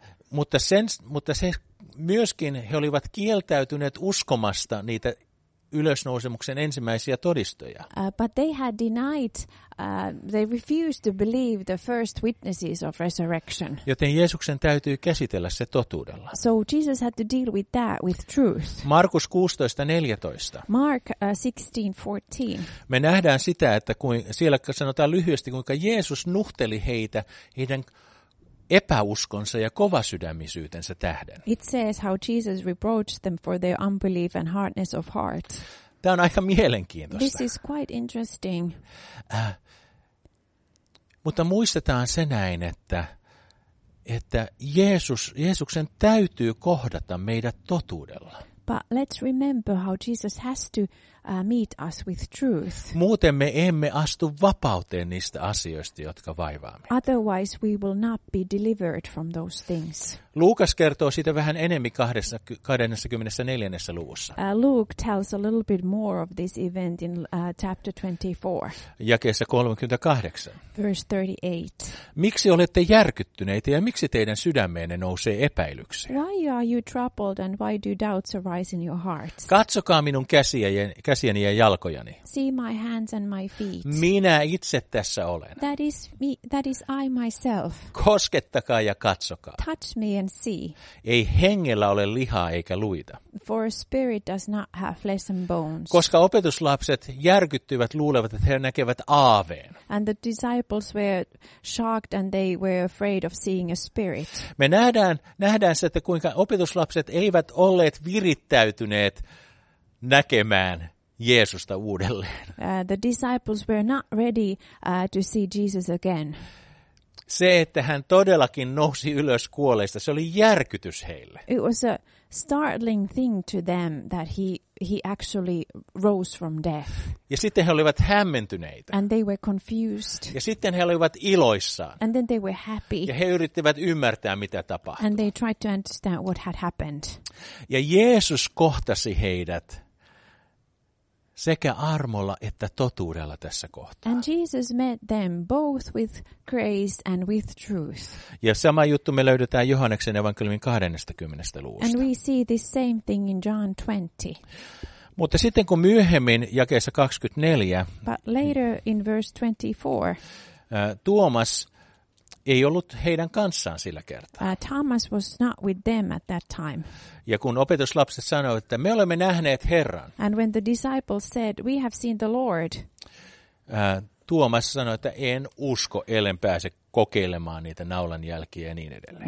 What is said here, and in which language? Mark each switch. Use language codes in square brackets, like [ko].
[fi] Mutta se myöskin he olivat kieltäytyneet uskomasta niitä ylösnousemuksen ensimmäisiä todistoja. [en] But they had denied, they refused to believe the first witnesses of resurrection. [fi] Joten Jeesuksen täytyy käsitellä se totuudella. [en] So Jesus had to deal with that with truth. [fi] Markus 16:14. [en] Mark 16:14. [fi] Me nähdään sitä, että kun siellä sanotaan lyhyesti, kuinka Jeesus nuhteli heidän epäuskonsa ja kovasydämisyytensä tähden. [en] It says how Jesus reproached them for their unbelief and hardness of heart. [fi] Tämä on aika mielenkiintoista. [en] This is quite interesting. [fi] Mutta muistetaan se näin, että Jeesuksen täytyy kohdata meidät totuudella. [en] But let's remember how Jesus has to meet us with truth. [fi] Muuten me emme astu vapauteen niistä asioista, jotka vaivaa meitä. [en] Otherwise we will not be delivered from those things. [fi] Luukas kertoo siitä vähän enemmän 24. luvussa. [en] Luke tells a little bit more of this event in chapter 24. [fi] Jakeessa 38. [en] Verse 38. [fi] Miksi olette järkyttyneitä ja miksi teidän sydämeenne nousee epäilyksiä? [en] Why are you troubled and why do doubts arise in your hearts? [fi] Katsokaa minun käsiäni ja jalkojani. [en] See my hands and my feet. [fi] Minä itse tässä olen. [en] That is I myself. [fi] Koskettakaa ja katsokaa. [en] Touch me and see. [fi] Ei hengellä ole lihaa eikä luita. [en] For a spirit does not have flesh and bones. [fi] Koska opetuslapset järkyttyivät, luulevat, että he näkevät aaveen. [en] And the disciples were shocked and they were afraid of seeing a spirit. [fi] Me nähdään se, että kuinka opetuslapset eivät olleet virittäytyneet näkemään Jeesusta uudelleen. [en] The disciples were not ready to see Jesus again. [fi] Se, että hän todellakin nousi ylös kuolleista, se oli järkytys heille. [en] It was a startling thing to them that he actually rose from death. [fi] Ja sitten he olivat hämmentyneitä. [en] And they were confused. [fi] Ja sitten he olivat iloissaan. [en] And then they were happy. [fi] Ja he yrittivät ymmärtää, mitä tapahtui. [en] And they tried to understand what had happened. [fi] Ja Jeesus kohtasi heidät sekä armolla että totuudella tässä kohtaa. [en] And Jesus met them both with grace and with truth. [fi] Ja sama juttu me löydetään Johanneksen evankeliumin 20. luvusta. [en] And we see the same thing in John 20. [fi] Mutta sitten kun myöhemmin jakeessa 24. [en] But later in verse 24. [fi] Tuomas ei ollut heidän kanssaan sillä kertaa. [en] Thomas was not with them at that time. [fi] Ja kun opetuslapset sanoivat, että me olemme nähneet Herran. [en] And when the disciples said, we have seen the Lord. [fi] Tuomas sanoi, että en usko, ellen pääse kokeilemaan niitä naulan jälkiä ja niin edelleen.